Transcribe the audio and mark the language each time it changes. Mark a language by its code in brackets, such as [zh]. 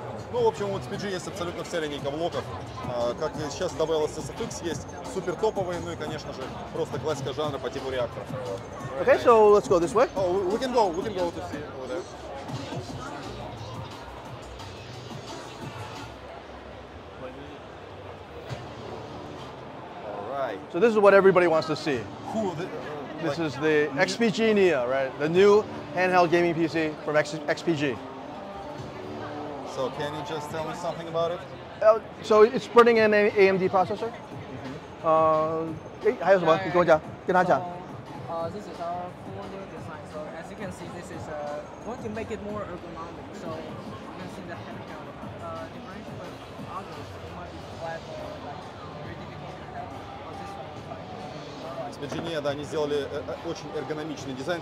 [ru] Ну, в общем, вот SPG есть абсолютно вся линейка блоков. Как и сейчас добавилось SFX, есть супер топовые, ну и, конечно же, просто классика жанра по типу реакторов. [en] Okay, so let's go this way. Oh, we can go to see over there. All right. So this is what everybody wants to see. Who? This is the XPG Nia, right? The new handheld gaming PC from XPG. So can you just tell me something about it? So it's running an AMD processor. Mm-hmm. [zh] 还有什么？跟他讲。 [en] This is our full new design. So as you can see, this is going to make it more ergonomic. So you can see the handheld device, but others it might be flat or very difficult to handle. But this one is fine. [ru] SPG Nia, да, они сделали очень эргономичный дизайн.